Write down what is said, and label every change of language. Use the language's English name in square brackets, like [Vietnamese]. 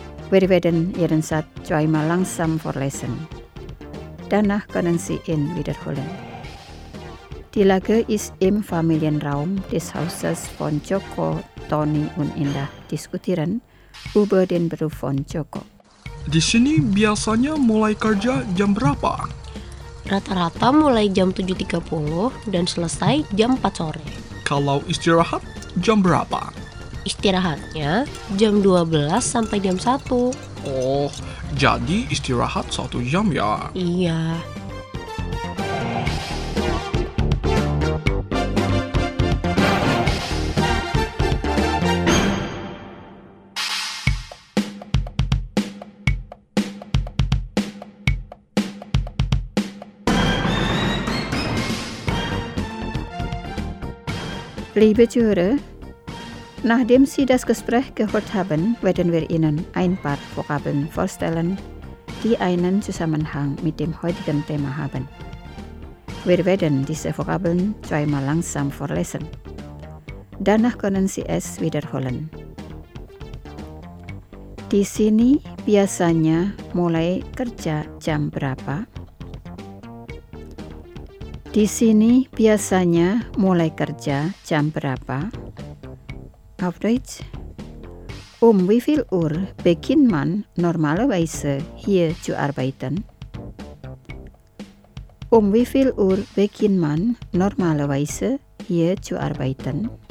[German] Wir werden jeden Satz zweimal langsam vorlesen. Danach können Sie ihn wiederholen. Die Lage ist im Familienraum des Hauses von Joko, Toni und Indah diskutieren über den Beruf von Joko. [Indonesian] Di sini biasanya mulai kerja jam berapa? Rata-rata mulai jam 7.30 dan selesai jam 4 sore. Kalau istirahat, jam berapa? Istirahatnya jam 12 sampai jam 1. Oh, jadi istirahat 1 jam ya? Iya. [German] Liebe Zuhörer, nachdem Sie das Gespräch gehört haben, werden wir Ihnen ein paar Vokabeln vorstellen, die einen Zusammenhang mit dem heutigen Thema haben. Wir werden diese Vokabeln zweimal langsam vorlesen. Danach können Sie es wiederholen. [Indonesian] Di sini biasanya mulai kerja jam berapa? Di sini biasanya mulai kerja jam berapa? [German] Auf Deutsch. Wie viel Uhr beginnt man normalerweise hier zu arbeiten? Wie viel Uhr beginnt man normalerweise hier zu arbeiten?